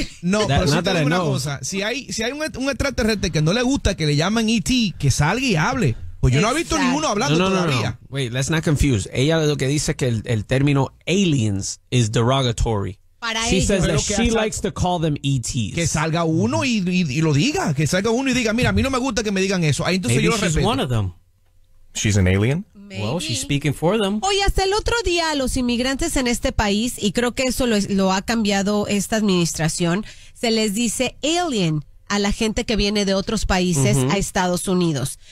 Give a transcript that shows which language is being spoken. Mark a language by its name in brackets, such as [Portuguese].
[Spanish] No, pero si te digo una cosa, si hay un extraterrestre que no le gusta que le llamen ET, que salga y hable. Pues yo no he visto ninguno hablando todavía. No. [English] Wait, let's not confuse. [Spanish] Ella lo que dice que el término aliens [English] is derogatory. She says that she likes to call them ETs. [Spanish] Que salga uno y lo diga. Que salga uno y diga, mira, a mí no me gusta que me digan eso. Ahí entonces [English] maybe [Spanish] yo lo respeto. [English] She's one of them. She's an alien. Maybe. Well, she's speaking for them. [Spanish] Oye, hasta el otro día los inmigrantes en este país, y creo que eso lo ha cambiado esta administración, se les dice alien a la gente que viene de otros países a Estados Unidos.